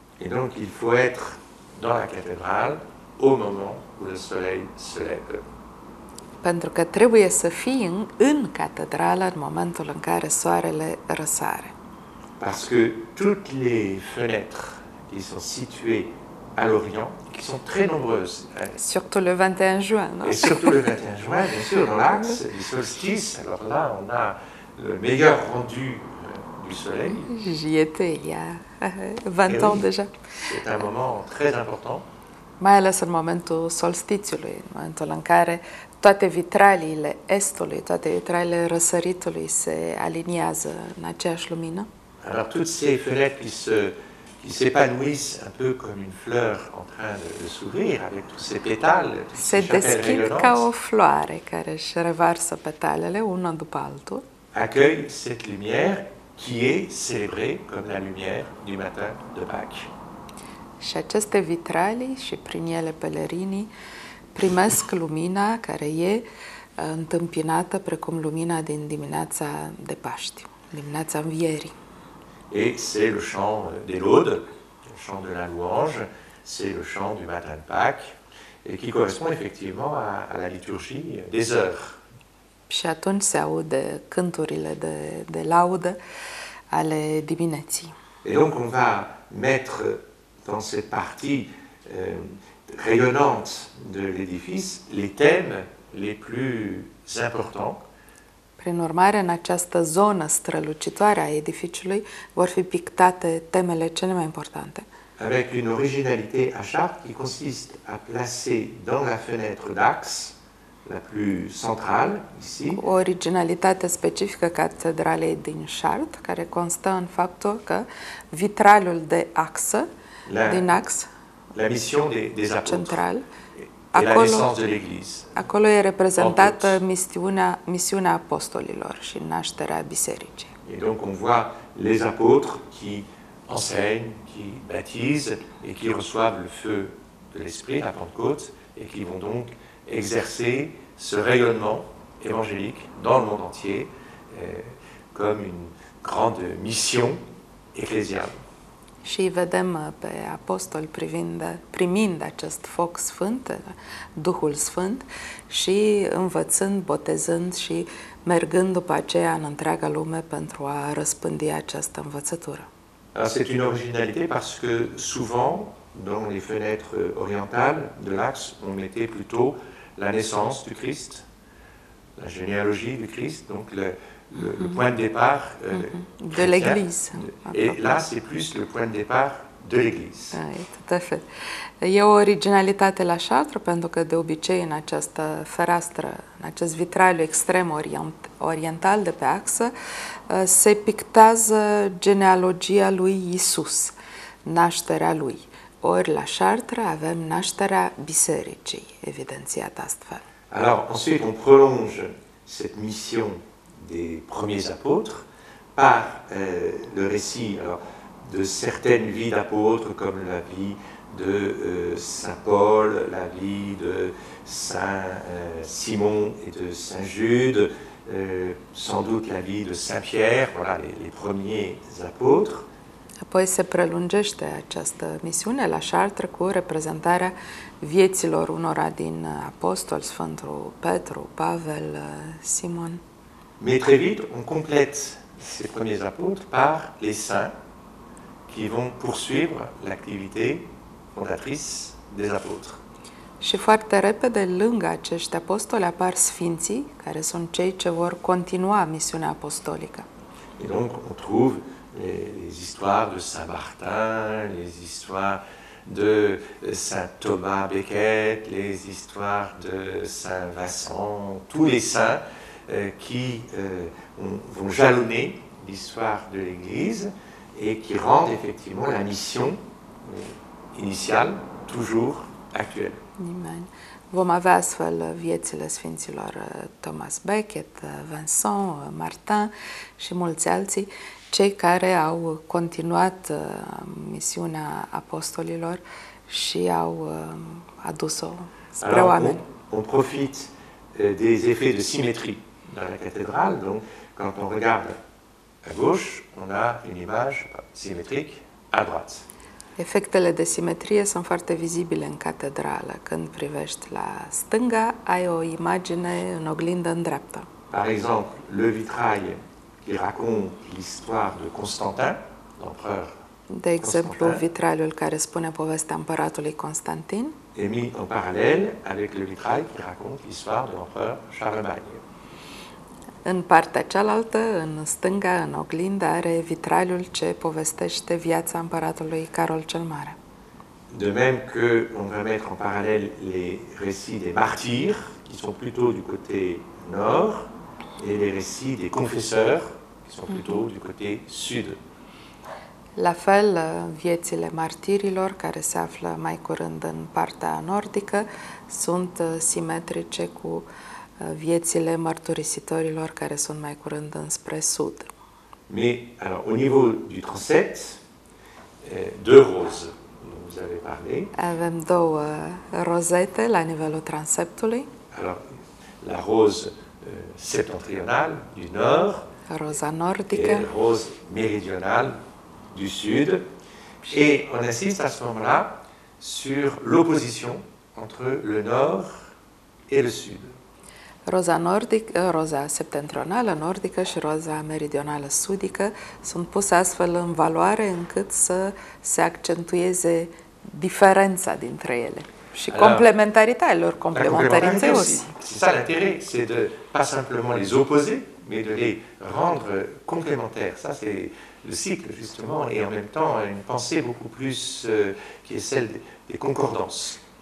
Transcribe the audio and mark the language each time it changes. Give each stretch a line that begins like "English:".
French: Et donc, il faut être dans la cathédrale au moment où le soleil se lève.
Romanian: Pentru că trebuie să fii în catedrală în momentul în care soarele răsare.
French: Parce que toutes les fenêtres qui sont situées à l'Orient, qui sont très nombreuses. Surtout le 21 juin, non? Et surtout le 21 juin, bien sûr, dans l'axe du solstice. Alors là, on a le meilleur rendu du soleil. J'y étais il y a 20 ans déjà. C'est un moment très important.
Romanian: Mai ales în momentul solstițiului, în momentul în care toate vitraliile estului, toate vitraliile răsăritului se aliniază în aceeași lumină.
French: Alors toutes ces fenêtres qui s'épanouissent un peu comme une fleur en train de s'ouvrir avec tous ses pétales,
Romanian: se deschid ca o floare care își revarsă petalele una după altul.
French: Accueille cette lumière qui est célébrée comme la lumière du matin de Pâques.
Romanian: Și aceste vitralii și prin ele pelerinii primesc lumina care e întâmpinată precum lumina din dimineața de Paști, dimineața învierii.
French: Et c'est le chant des laudes, le chant de la louange, c'est le chant du matin de Pâques, et qui correspond effectivement à la liturgie des heures.
Romanian: Și atunci se aude cânturile de laudă ale dimineții.
French: Et donc on va mettre dans cette partie rayonnante de l'édifice les thèmes les plus importants.
Romanian: Prin urmare, în această zonă strălucitoare a edificiului vor fi pictate temele cele mai importante.
French: Avec une originalité à charte qui consiste à placer dans la fenêtre d'axe, la plus centrale, ici.
Romanian: O originalitate specifică catedralei din Chart, care constă în faptul că vitralul de axă, din axe,
French: la mission des apôtres, central, acolo, la naissance de l'Église.
Romanian: Acolo e reprezentată misiunea apostolilor și nașterea bisericii.
French: Et donc on voit les apôtres qui enseignent, qui baptisent et qui reçoivent le feu de l'Esprit à Pentecôte et qui vont donc exercer ce rayonnement évangélique dans le monde entier comme une grande mission ecclésiale.
Romanian: Și îi vedem pe apostoli primind acest foc sfânt, Duhul Sfânt, și învățând, botezând și mergând după aceea în întreaga lume pentru a răspândi această învățătură.
French: C'est une originalité parce que souvent, dans les fenêtres orientales de l'axe, on mettait plutôt la naissance du Christ, la généalogie du Christ, donc le point de départ de l'Église. Et là, c'est plus le point de départ de l'Église. Oui, tout à fait. Il y a originalité la châtre, parce que d'habitude, dans cette fereastră, dans ce vitraliu extrême oriental
Romanian: de pe axă, se pictează genealogia lui Isus, nașterea lui. Ori la Chartres, avem nașterea bisericii, evidențiată astfel.
French: Alors, ensuite, on prolonge cette mission des premiers apôtres par le récit alors, de certaines vies d'apôtres comme la vie de Saint Paul, la vie de Saint Simon et de Saint Jude, sans doute la vie de Saint Pierre, voilà les premiers apôtres.
Romanian: Apoi se prelungește această misiune la Chartres cu reprezentarea vieților unora din apostoli, Sfântul Petru, Pavel, Simon.
French: Mais très vite, on complète ces premiers apôtres par les saints qui vont poursuivre l'activité fondatrice des apôtres.
Romanian: Și foarte repede, lângă acești apostoli, apar sfinții, care sunt cei ce vor continua misiunea apostolică.
French: Et donc, on trouve les histoires de Saint Martin, les histoires de Saint Thomas Becket, les histoires de Saint Vincent, tous les saints qui vont jalonner l'histoire de l'Église et qui rendent effectivement la mission initiale toujours actuelle. Amen.
Romanian: Vom avea astfel viețile sfinților Thomas Becket, Vincent, Martin și mulți alții, cei care au continuat misiunea apostolilor și au adus-o spre oameni.
French: On profite des effets de symétrie dans la cathédrale. Donc, quand on regarde à gauche, on a une image symétrique à droite.
Romanian: Efectele de simetrie sunt foarte vizibile în catedrală. Când privești la stânga, ai o imagine în oglindă în dreapta.
French: Par exemple, le vitrail qui raconte l'histoire de Constantin, l'empereur.
Romanian: De exemplu, vitraliul care spune povestea împăratului Constantin.
French: Est mis en parallèle avec le vitrail qui raconte l'histoire de l'empereur Charlemagne.
Romanian: În partea cealaltă, în stânga, în oglindă, are vitraliul ce povestește viața împăratului Carol cel Mare.
French: De même que on va mettre en parallèle les récits des martyrs qui sont plutôt du côté nord et les récits des confesseurs qui sont plutôt du côté sud.
Romanian: La fel, viețile martirilor care se află mai curând în partea nordică sunt simetrice cu viețile mărturisitorilor care sunt mai curând înspre sud.
French: Mais alors au niveau du transept deux roses dont vous avez parlé.
Romanian: Avem două rozete la nivelul transeptului.
French: Alors la rose septentrionale du nord,
Romanian: roza nordică,
French: et rose méridionale du sud. Et on assiste à ce moment-là sur l'opposition entre le nord et le sud.
Romanian: Roza nordic, roza septentrională nordică și roza meridională sudică sunt puse astfel în valoare încât să se accentueze diferența dintre ele și complementaritatea lor, complementaritatea lor.
French: C'est ça l'intérêt, c'est de pas simplement les opposer, mais de les rendre complémentaires. Ça c'est le cycle justement et en même temps une pensée beaucoup plus qui est celle des concordances.